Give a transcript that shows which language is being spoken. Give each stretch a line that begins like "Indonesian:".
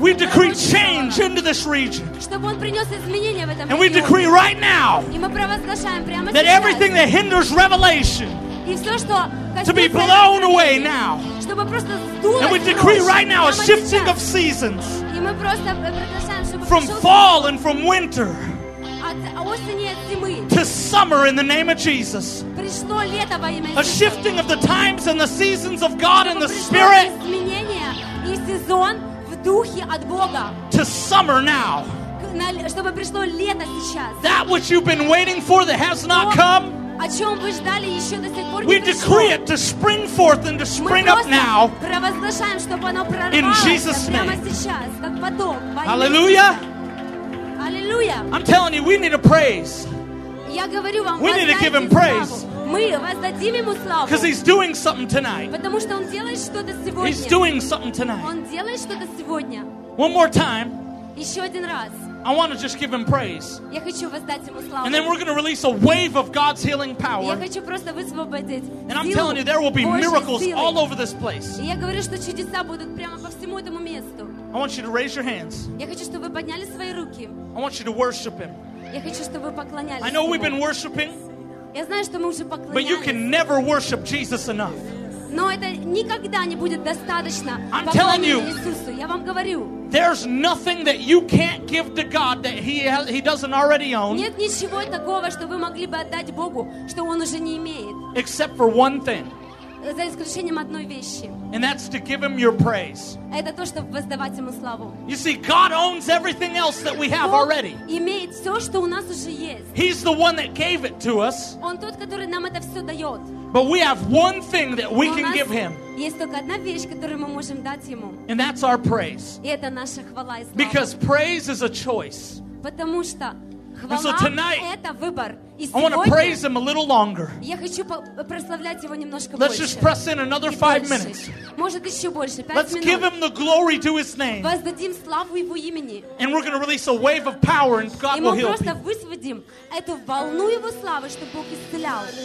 English: We decree change into this region.
Russian: Чтобы он принес изменения в этом
English: And we decree right now.
Russian: И мы провозглашаем прямо сейчас.
English: That everything that hinders revelation.
Russian: И все, что
English: To be blown away now.
Russian: Чтобы просто сдуло.
English: And we decree right now a shifting of seasons.
Russian: И мы просто провозглашаем, чтобы
English: From fall and from winter.
Russian: От осени от зимы.
English: To summer in the name of Jesus.
Russian: Пришло лето во имя
English: Иисуса. A shifting of the times and the seasons of God and the Spirit.
Russian: Сезон в духе от Бога.
English: To summer now.
Russian: Чтобы пришло лето сейчас.
English: That which you've been waiting for that has not come.
Russian: О чем вы ждали еще до сих пор?
English: We decree it to spring forth and to spring up now.
Russian: Мы просто провозглашаем, чтобы оно прорвалось прямо сейчас, как поток.
English: Hallelujah. Hallelujah. I'm telling you, we need a praise.
Russian: Я говорю вам,
English: we need to give Him praise. Because he's doing something tonight.
Russian: Потому что он делает что-то сегодня.
English: He's doing something tonight.
Russian: Он делает что-то сегодня.
English: One more time.
Russian: Еще один раз.
English: I want to just give him praise.
Russian: Я хочу воздать ему славу.
English: And then we're going to release a wave of God's healing power.
Russian: Я хочу просто высвободить.
English: And I'm telling you, there will be miracles all over this place.
Russian: Я говорю, что чудеса будут прямо по всему этому месту.
English: I want you to raise your hands.
Russian: Я хочу, чтобы вы подняли свои руки.
English: I want you to worship him.
Russian: Я хочу, чтобы вы поклонялись ему.
English: I know we've been worshiping.
Russian: Я знаю, что мы уже поклонялись.
English: But you can never worship Jesus enough.
Russian: Но это никогда не будет достаточно.
English: I'm telling you.
Russian: Я вам говорю.
English: There's nothing that you can't give to God that he doesn't already own.
Russian: Нет ничего такого, что вы могли бы отдать Богу, что он уже не имеет.
English: Except for one thing.
Russian: За исключением одной вещи.
English: And that's to give him your praise.
Russian: Это то, чтобы воздавать ему славу.
English: You see, God owns everything else that we have already.
Russian: Бог имеет все, что у нас уже есть.
English: He's the one that gave it to us.
Russian: Он тот, который нам это все дает.
English: But we have one thing that we can give him.
Russian: Есть только одна вещь, которую мы можем дать ему.
English: And that's our praise.
Russian: И это наша хвала и слава.
English: Because praise is a choice.
Russian: Потому что
English: And so tonight,
Russian: это выбор. И сегодня,
English: I want to praise him a little longer.
Russian: Я хочу прославлять его немножко
English: Let's
Russian: больше.
English: Just press in another five minutes.
Russian: Может еще больше, пять
English: Let's
Russian: минут.
English: Give him the glory to his name.
Russian: Воздадим славу его имени.
English: And we're going to release a wave of power and God
Russian: и
English: will heal
Russian: И мы просто высвободим эту волну его славы, чтобы Бог исцелял.